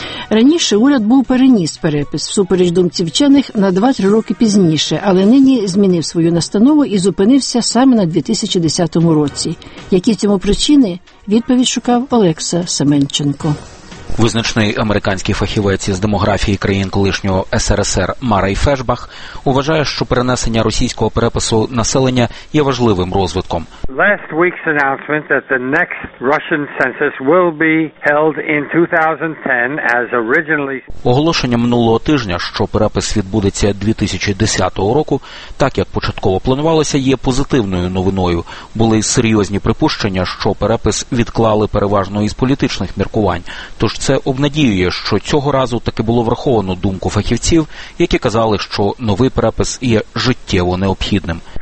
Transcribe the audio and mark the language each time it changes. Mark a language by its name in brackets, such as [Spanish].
[Ukrainian] Раніше уряд був переніс перепис, всупереч думці вчених, на 2-3 роки пізніше, але нині змінив свою настанову і зупинився саме на 2010 році. Які цьому причини? Відповідь шукав Олекса Семенченко. Визначний американський фахівець із демографії країн колишнього СРСР Марей Фешбах вважає, що перенесення російського перепису населення є важливим розвитком. [English] Last week's announcement that the next Russian census will be held in 2010 as originally. [Ukrainian] Оголошення минулого тижня, що перепис відбудеться 2010 року, так як початково планувалося, є позитивною новиною. Були серйозні припущення, що перепис відклали переважно із політичних міркувань. Тож це обнадіює, що цього разу таки було враховано думку фахівців, які казали, що новий перепис є життєво необхідним.